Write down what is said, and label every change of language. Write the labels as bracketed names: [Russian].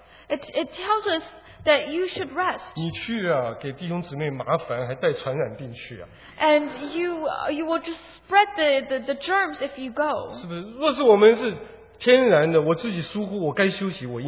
[English] It tells us that you should rest. [Chinese] 你去啊, 给弟兄姊妹麻烦, 还带传染病去啊, [English] and you will just spread the germs if you go. [Chinese] 是不是, 若是我们是天然的, 我自己疏忽, 我该休息,